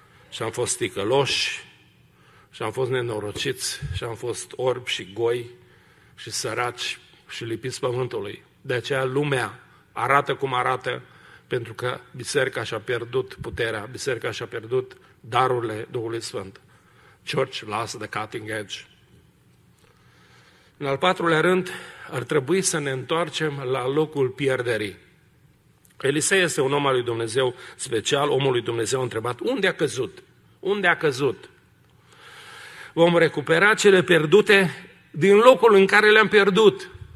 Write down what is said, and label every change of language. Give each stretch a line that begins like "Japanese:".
Romanian: Și am fost ticăloși și am fost nenorociți și am fost orbi și goi și săraci și lipiți pământului. De aceea lumea arată cum arată, pentru că biserica și-a pierdut puterea, biserica și-a pierdut darurile Duhului Sfânt.
English: Church lost the cutting edge.
Romanian: În al patrulea rând, ar trebui să ne întoarcem la locul pierderii. Elisei este un om al lui Dumnezeu special, omul lui Dumnezeu a întrebat, unde a căzut? Unde a căzut? Vom recupera cele pierdute din locul în care le-am pierdut.